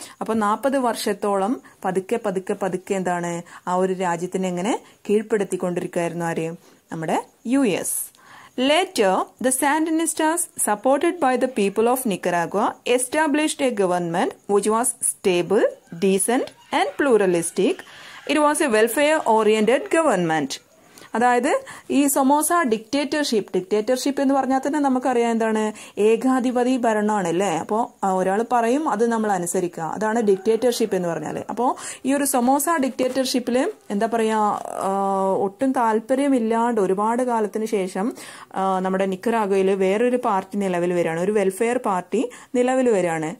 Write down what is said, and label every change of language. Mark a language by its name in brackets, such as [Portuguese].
[Malayalam] അപ്പൊ 40 വർഷത്തോളം പതുക്കെ പതുക്കെ പതുക്കെ എന്താണ് ആ ഒരു രാജ്യത്തിനെ എങ്ങനെ കീഴ്പ്പെടുത്തിക്കൊണ്ടിരിക്കുകയായിരുന്നു ആര്? നമ്മുടെ U S. [English] Later, the Sandinistas, supported by the people of Nicaragua, established a government which was stable, decent, and pluralistic. It was a welfare-oriented government. [Malayalam] അതായത് ഈ സൊമോസ ഡിക്റ്റേറ്റർഷിപ്പ്, ഡിക്റ്റേറ്റർഷിപ്പ് എന്ന് പറഞ്ഞാൽ തന്നെ നമുക്കറിയാം എന്താണ് ഏകാധിപതി ഭരണമാണ് അല്ലേ. അപ്പോൾ ഒരാൾ പറയും അത് നമ്മൾ അനുസരിക്കുക, അതാണ് ഡിക്റ്റേറ്റർഷിപ്പ് എന്ന് പറഞ്ഞാൽ. അപ്പോൾ ഈ ഒരു സൊമോസ ഡിക്റ്റേറ്റർഷിപ്പിൽ എന്താ പറയുക ഒട്ടും താല്പര്യമില്ലാണ്ട് ഒരുപാട് കാലത്തിന് ശേഷം നമ്മുടെ നിക്കരാഗ്വയിൽ വേറൊരു പാർട്ടി നിലവിൽ വരികയാണ്, ഒരു വെൽഫെയർ പാർട്ടി നിലവിൽ വരികയാണ്.